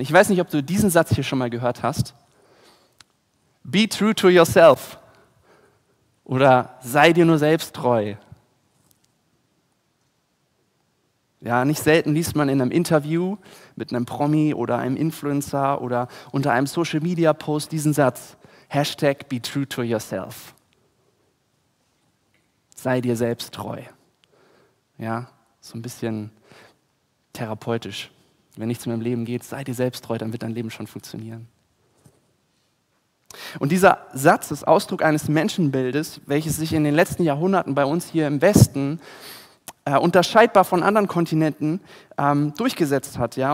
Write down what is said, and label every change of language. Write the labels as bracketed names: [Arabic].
[German] Ich weiß nicht, ob du diesen Satz hier schon mal gehört hast. [English] Be true to yourself. [German] Oder sei dir nur selbst treu. Ja, nicht selten liest man in einem Interview mit einem Promi oder einem Influencer oder unter einem Social Media Post diesen Satz. [English] Hashtag be true to yourself. [German] Sei dir selbst treu. Ja, so ein bisschen therapeutisch. Wenn nichts mehr im Leben geht, sei dir selbst treu, dann wird dein Leben schon funktionieren. Und dieser Satz ist Ausdruck eines Menschenbildes, welches sich in den letzten Jahrhunderten bei uns hier im Westen unterscheidbar von anderen Kontinenten durchgesetzt hat. Ja?